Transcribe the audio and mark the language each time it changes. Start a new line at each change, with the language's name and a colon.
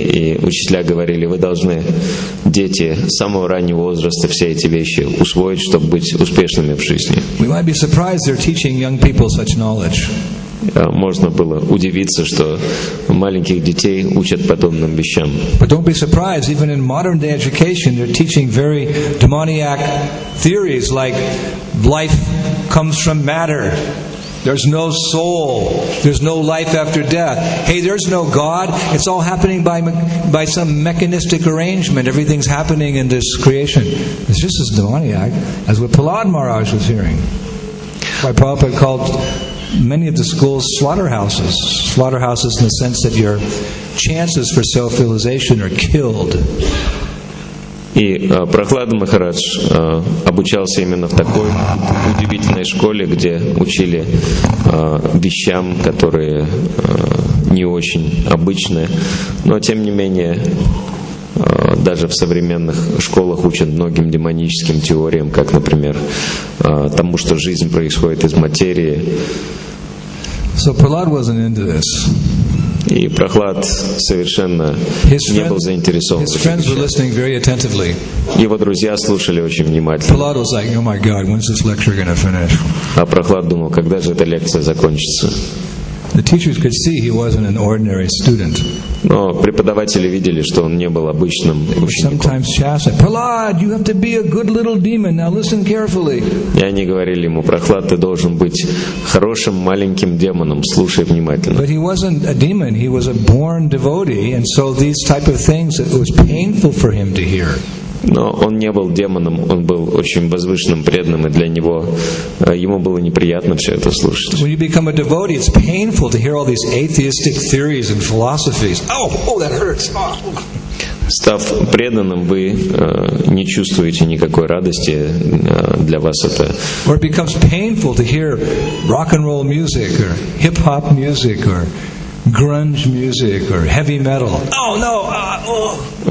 Russian: И учителя говорили: вы должны, дети, с самого раннего возраста все эти вещи усвоить, чтобы быть успешными в жизни.
English: We might be surprised they're teaching young people such knowledge.
Russian: Можно было удивиться, что маленьких детей учат подобным вещам.
English: But don't be surprised, even in modern day education, they're teaching very demoniac theories like life comes from matter. There's no soul. There's no life after death. Hey, there's no God. It's all happening by some mechanistic arrangement. Everything's happening in this creation. It's just as demoniac as what Prahlad Maharaj was hearing. Why Prabhupada called many of the schools slaughterhouses. Slaughterhouses in the sense that your chances for self-realization are killed.
Russian: И Прохлада Махарадж обучался именно в такой удивительной школе, где учили вещам, которые не очень обычные. Но тем не менее, даже в современных школах учат многим демоническим теориям, как, например, тому, что жизнь происходит из материи.
English: So Prahlad wasn't into this.
Russian: И Прохлад совершенно не был заинтересован.
English: His friends were listening very attentively.
Russian: Его друзья слушали очень внимательно.
English: Prahlad was like, oh my God, when's this lecture going to finish?
Russian: А Прохлад думал, когда же эта лекция закончится?
English: The teachers could see he wasn't an ordinary student.
Russian: Но преподаватели видели, что он не был обычным учеником.
English: Sometimes chastised, Prahlad, you have to be a good little demon. Now listen carefully.
Russian: И они говорили ему: Прохлад, ты должен быть хорошим маленьким демоном. Слушай внимательно.
English: But he wasn't a demon. He was a born devotee, and so these type of things, it was painful for him to hear.
Russian: Но он не был демоном, он был очень возвышенным, преданным, и для него, ему было неприятно все это слушать.
English: When you become a devotee, it's painful to hear all these atheistic theories and philosophies. Oh, that hurts.
Russian: Став преданным, вы не чувствуете никакой радости, для вас это...
English: Or it becomes painful to hear rock and roll music, or hip-hop music, or grunge music or heavy metal. Oh no.